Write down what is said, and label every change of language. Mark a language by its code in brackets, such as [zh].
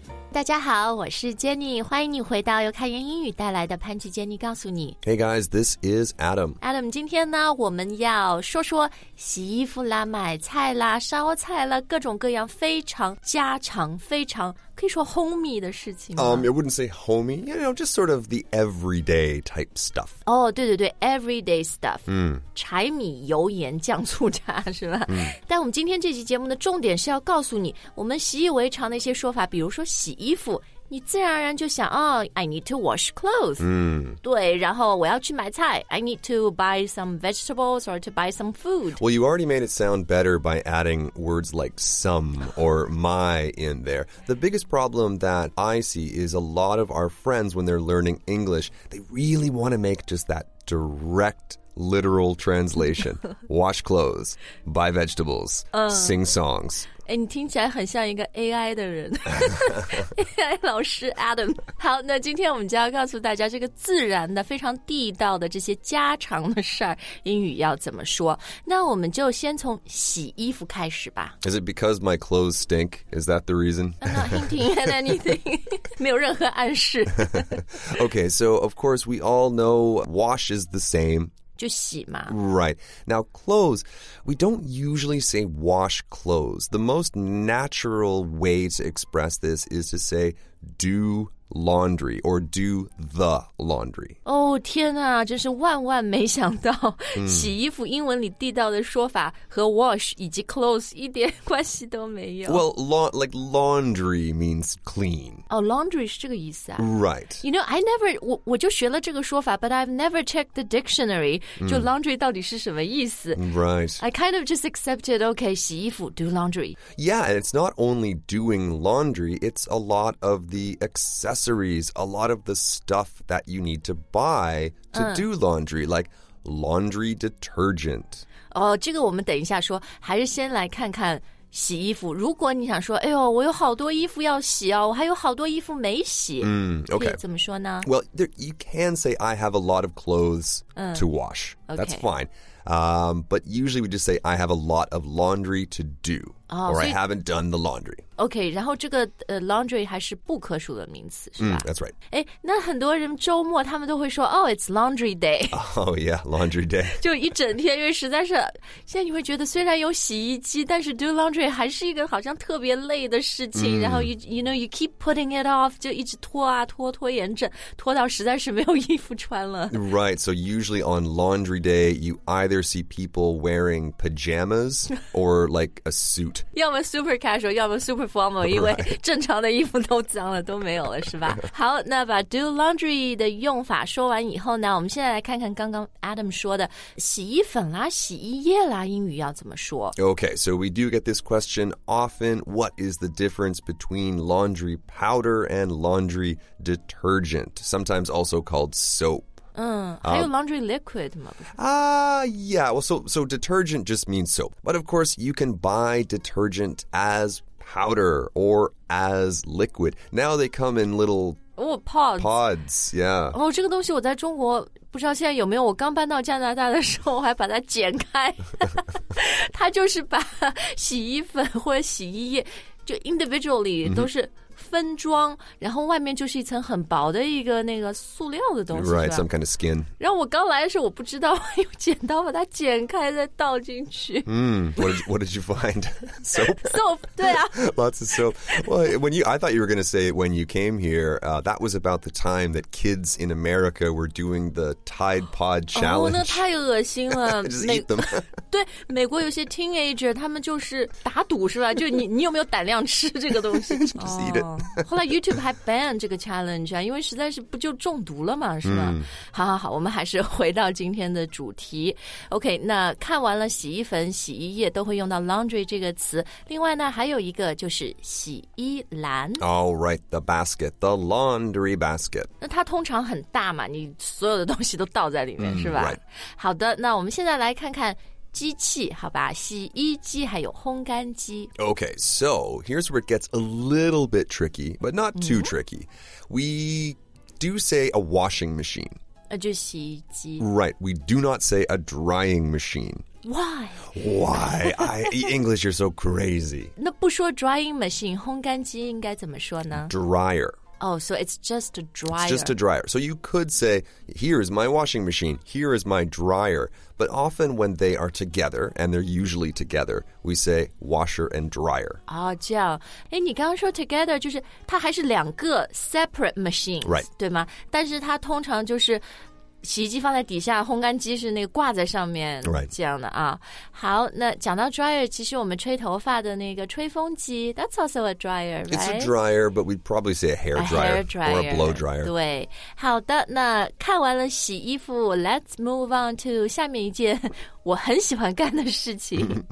[zh] 大家好，我是 Jenny， 欢迎你回到由开言英语带来的潘吉 Jenny 告诉你。 [en] Hey guys, this is Adam. [zh] Adam, 今天呢，我们要说说洗衣服啦、买菜啦、烧菜啦，各种各样非常家常、非常可以说 homey 的事情。 [en] I wouldn't say homey. You know, just sort of the everyday type stuff. [zh] 哦、 [en] oh, [zh] ，对对对 ， [en] everyday stuff. [zh] 嗯、柴米油盐酱醋茶是吧？嗯。但我们今天这期节目的重点是要告诉你，我们习以为常的一些说法，比如说洗衣服，你自然而然就想、 [en] I need to wash clothes. [zh] 嗯，对，然后我要去买菜 ， [en] I need to buy some vegetables or to buy some food. Well, you already made it sound better by adding words like some or my in there. The biggest problem that I see is a lot of our friends when they're learning English, they really want to make just that direct. Literal translation, wash clothes, buy vegetables, sing songs. [zh] 哎，你听起来很像一个 AI 的人AI 老师 Adam. 好，那今天我们就要告诉大家这个自然的非常地道的这些家常的事儿，英语要怎么说。那我们就先从洗衣服开始吧。 [en] Is it because my clothes stink? Is that the reason? I'm not hinting at anything. [zh] 没有任何暗示。 [en] Okay, so of course we all know wash is the same. [zh] 就洗嘛 [en] Right. Now, clothes, we don't usually say wash clothes. The most natural way to express this is to say do laundry or do the laundry. [zh] Oh, 天哪，真是万万没想到、洗衣服英文里地道的说法和 wash 以及 clothes 一点关系都没有。 [en] Well, like laundry means clean. [zh] Oh, laundry 是这个意思啊。 [en] Right. You know, I never, [zh] 我就学了这个说法 [en] but I've never checked the dictionary,、就 laundry [zh] 到底是什么意思。 [en] Right. I kind of just accepted, okay, [zh] 洗衣服 [en] do laundry. Yeah, and it's not only doing laundry, it's a lot of the accessories, a lot of the stuff that you need to buy to、do laundry, like laundry detergent. [zh] 哦，这个我们等一下说，还是先来看看洗衣服。如果你想说，哎呦，我有好多衣服要洗哦，我还有好多衣服没洗。 [en] Okay. [zh] 可以怎么说呢 [en] ？Well, there, you can say I have a lot of clothes、to wash. That's、 okay. fine. But usually we just say I have a lot of laundry to do. Or I haven't done the laundry. [zh] Okay, 然后这个、laundry 还是不可数的名词是吧、 [en] that's right. [zh] 诶，那很多人周末他们都会说 [en] Oh, it's laundry day. Oh yeah, laundry day. [zh] 就一整天，因为实在是现在你会觉得虽然有洗衣机，但是 do laundry 还是一个好像特别累的事情、然后 [en] you know, you keep putting it off, [zh] 就一直拖啊拖拖延着，拖到实在是没有衣服穿了。 [en] Right, so usually on laundry day, you either see people wearing pajamas or like a suit. [zh] 要么 [en] super casual, [zh] 要么 [en] super formal, [zh] 因为正常的衣服都脏了都没有了是吧好那把 do laundry 的用法说完以后呢我们现在来看看刚刚 Adam 说的洗衣粉啦洗衣液啦英语要怎么说 [en] Okay, so we do get this question often, what is the difference between laundry powder and laundry detergent, sometimes also called soap? [zh] 还有 laundry liquid 吗 [en] yeah, well, so detergent just means soap. But of course, you can buy detergent as powder or as liquid. Now they come in little pods. Pods, yeah. [zh] Oh, 这个东西我在中国不知道现在有没有我刚搬到加拿大的时候我还把它剪开。它就是把洗衣粉或者洗衣液就 individually 都是、分装然后外面就是一层很薄的一个那个塑料的东西 [en] Right, some kind of skin. [zh] 然后我刚来的时候我不知道用剪刀把它剪开再倒进去。 [en] What did you find? Soap? [zh] Soap, 对啊。 [en] Lots of soap. Well, I thought you were going to say when you came here,、that was about the time that kids in America were doing the Tide Pod Challenge. [zh] 哦、那太恶心了。 [en] Just eat them. [zh] 对美国有些 teenager, 他们就是打赌是吧就 你有没有胆量吃这个东西 [en] Just eat it. [zh] 后来 YouTube 还 ban 这个 challenge 啊，因为实在是不就中毒了嘛，是吧？好好好，我们还是回到今天的主题。 [en] OK, [zh] 那看完了洗衣粉、洗衣液都会用到 laundry 这个词。另外呢，还有一个就是洗衣篮。 [en] All right, the basket, the laundry basket. 那它通常很大嘛，你所有的东西都倒在里面，是吧？ Right. [zh] 好的，那我们现在来看看。机器好吧洗衣机还有烘干机 [en] Okay, so here's where it gets a little bit tricky, but not too、tricky. We do say a washing machine. [zh] 就洗衣机 [en] Right, we do not say a drying machine. Why? English, you're so crazy. [zh] 那不说 drying machine, 烘干机应该怎么说呢? [en] Dryer. Oh, so it's just a dryer. It's just a dryer. So you could say, here is my washing machine, here is my dryer. But often when they are together, and they're usually together, we say washer and dryer. [zh] Oh, 这样。诶，你刚刚说 together, 就是它还是两个 [en] separate machines, right. [zh] 对吗? 但是它通常就是洗衣机放在底下，烘干机是那个挂在上面、 [en] right. [zh] 这样的啊。好，那讲到 dryer， 其实我们吹头发的那个吹风机 ， [en] that's also a dryer， right？ It's a dryer， but we'd probably say a hair dryer, a hair dryer or a blow dryer。 [zh] 对，好的，那看完了洗衣服 ， [en] let's move on to [zh] 下面一件我很喜欢干的事情。